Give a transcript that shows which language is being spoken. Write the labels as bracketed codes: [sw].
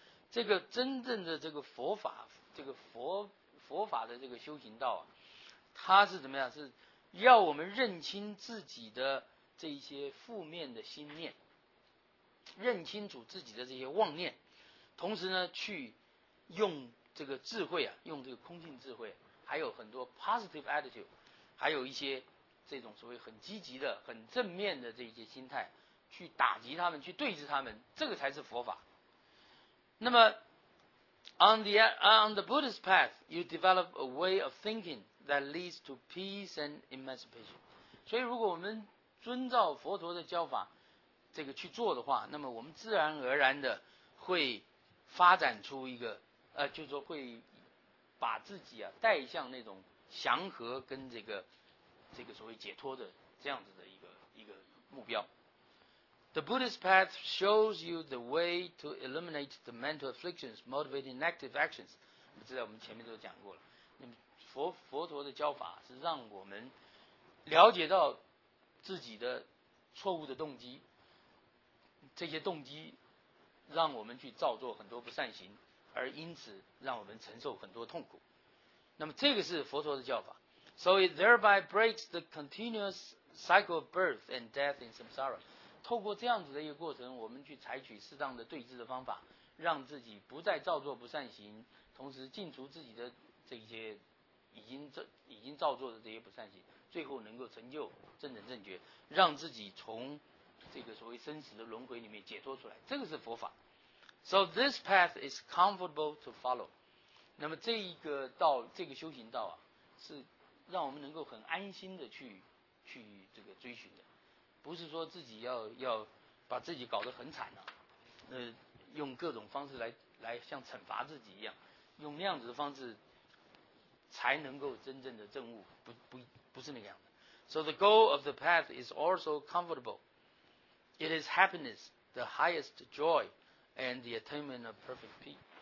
[zh] 这个真正的这个佛法，这个 佛法的这个修行道啊，它是怎么样，是要我们认清自己的这些负面的心念，认清楚自己的这些妄念，同时呢去用这个智慧啊，用这个空性智慧，还有很多 [en] positive attitude， [zh] 还有一些这种所谓很积极的很正面的这些心态，去打击他们，去对峙他们，这个才是佛法。 [en] 那么 on the Buddhist path you develop a way of thinking that leads to peace and emancipation。 [zh] 所以如果我们遵照佛陀的教法这个去做的话，那么我们自然而然的会发展出一个就是说会把自己啊带向那种祥和跟这个所谓解脱的这样子的一个目标。 [en] The Buddhist path shows you the way to eliminate the mental afflictions motivating negative actions。 [zh] 我知道我们前面都讲过了，那么 佛陀的教法是让我们了解到自己的错误的动机，这些动机让我们去造作很多不善行，而因此让我们承受很多痛苦。那么这个是佛陀的教法。 [en] So it thereby breaks the continuous cycle of birth and death in samsara。 [zh] 透过这样子的一个过程，我们去采取适当的对治的方法，让自己不再造作不善行，同时净除自己的这些已经造作的这些不善行，最后能够成就正等正觉，让自己从这个所谓生死的轮回里面解脱出来，这个是佛法。 [en] So this path is comfortable to follow。 [zh] 那么这一个道，这个修行道啊，是让我们能够很安心的去这个追寻的，不是说自己要把自己搞得很惨啊，用各种方式来像惩罚自己一样，用那样子的方式才能够真正的证悟，不是那个样的。 [en] So the goal of the path is also comfortable. It is happiness, the highest joy, and the attainment of perfect peace。